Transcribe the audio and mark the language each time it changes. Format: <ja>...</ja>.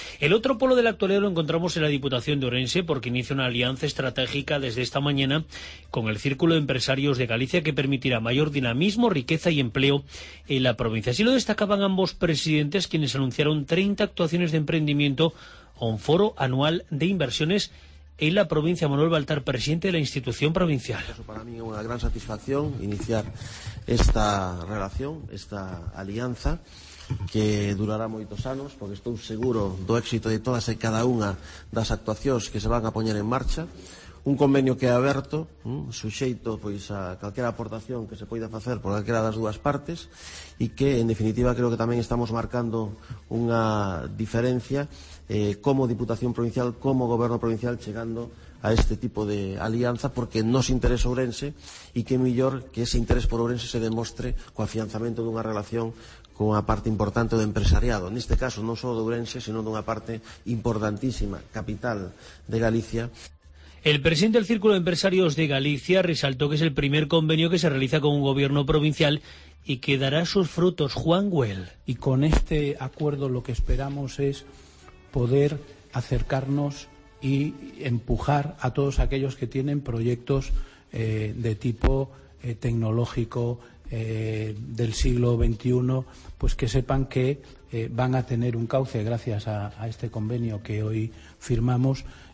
<es>El otro polo de la actualidad lo encontramos en la Diputación de Orense, porque inicia una alianza estratégica desde esta mañana con el Círculo de Empresarios de Galicia, que permitirá mayor dinamismo, riqueza y empleo en la provincia. Así lo destacaban ambos presidentes, quienes anunciaron 30 actuaciones de emprendimiento a un foro anual de inversiones en la provincia. Manuel Baltar, presidente de la institución provincial. Para mí es una gran satisfacción iniciar esta relación, esta alianza, que durará</es> <gl>moitos anos, porque estou seguro do éxito de todas e cada unha das actuacións que se van a poñer en marcha. Un convenio que é aberto, suxeito pois a calquera aportación que se poida facer por calquera das dúas partes, e que, en definitiva, creo que tamén estamos marcando unha diferencia como Diputación Provincial, como Goberno Provincial, chegando a este tipo de alianza, porque nos interesa Ourense, e que mellor que ese interés por Ourense se demostre co afianzamento dunha relación con a parte importante do empresariado, neste caso non só de Ourense, sino dunha parte importantísima, capital de Galicia.</gl> <es>El presidente del Círculo de Empresarios de Galicia resaltó que es el primer convenio que se realiza con un gobierno provincial y que dará sus frutos. Juan Güell. Y con este acuerdo lo que esperamos es poder acercarnos y empujar a todos aquellos que tienen proyectos de tipo tecnológico, del siglo XXI, pues que sepan que van a tener un cauce, gracias a este convenio que hoy firmamos,</es>